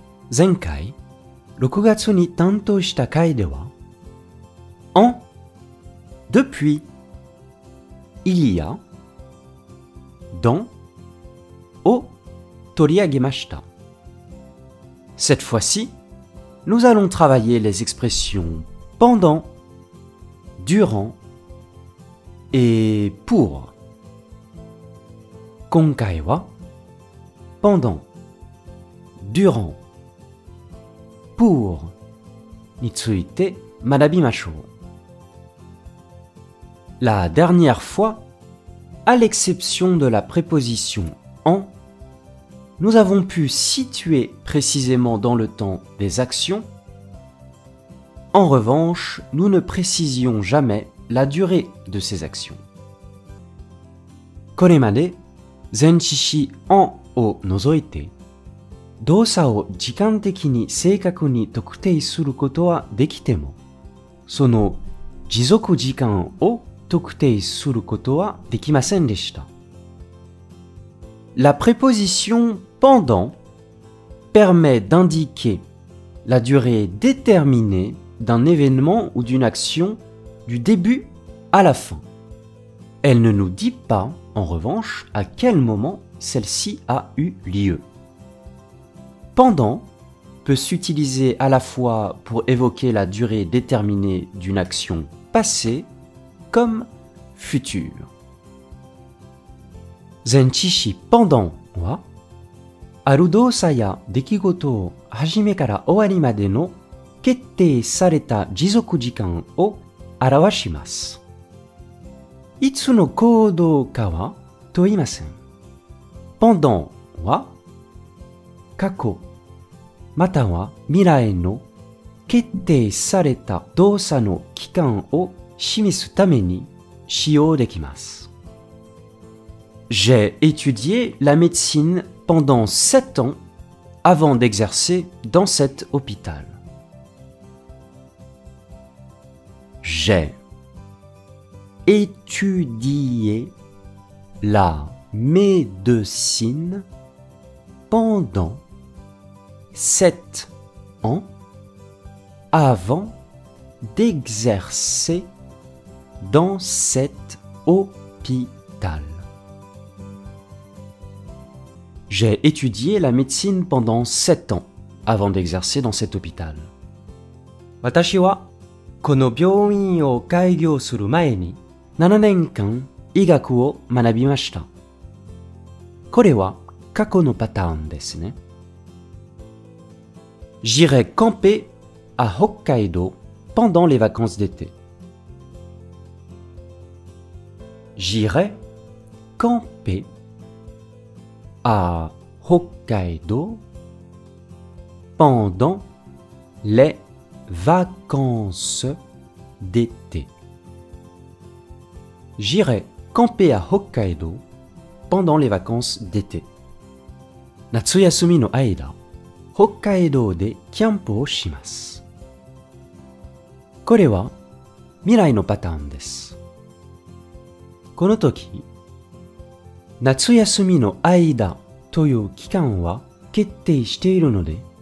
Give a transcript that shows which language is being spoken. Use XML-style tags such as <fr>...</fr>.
<ja>前回6月に担当した回では en, depuis, il y a, dans, を取り上げました。</ja> <fr>Cette fois-ci, nous allons travailler les expressions pendant, durant et pour.</fr> <ja>今回は pendant, durant, pour について学びましょう。</ja> <fr>La dernière fois, à l'exception de la préposition en, nous avons pu situer précisément dans le temps des actions. En revanche, nous ne précisions jamais la durée de ces actions.</fr> <ja>これまで前置詞en を除いて、動作を時間的に正確に特定することはできても、その持続時間を特定することはできませんでした。</ja> <fr>La préposition pendant permet d'indiquer la durée déterminée d'un événement ou d'une action du début à la fin. Elle ne nous dit pas, en revanche, à quel moment celle-ci a eu lieu. Pendant peut s'utiliser à la fois pour évoquer la durée déterminée d'une action passée comme future.</fr> <ja>前置詞 pendant は、ある動作や出来事を始めから終わりまでの決定された持続時間を表します。いつの行動かは問いません。 pendant は、過去、または未来の決定された動作の期間を示すために使用できます。</ja> <fr>J'ai étudié la médecine pendant 7 ans avant d'exercer dans cet hôpital. J'ai étudié la médecine pendant 7 ans avant d'exercer dans cet hôpital. J'ai étudié la médecine pendant 7 ans avant d'exercer dans cet hôpital.</fr> <ja>私はこの病院を開業する前に7年間医学を学びました。これは過去のパターンですね。</ja> <fr>J'irai camper à Hokkaido pendant les vacances d'été. J'irai camper à Hokkaido pendant les vacances d'été. J'irai camper à Hokkaido pendant les vacances d'été.</fr> <ja>夏休みの間、北海道でキャンプをします。これは未来のパターンです。この時、夏休みの間という期間は決定しているので、</ja>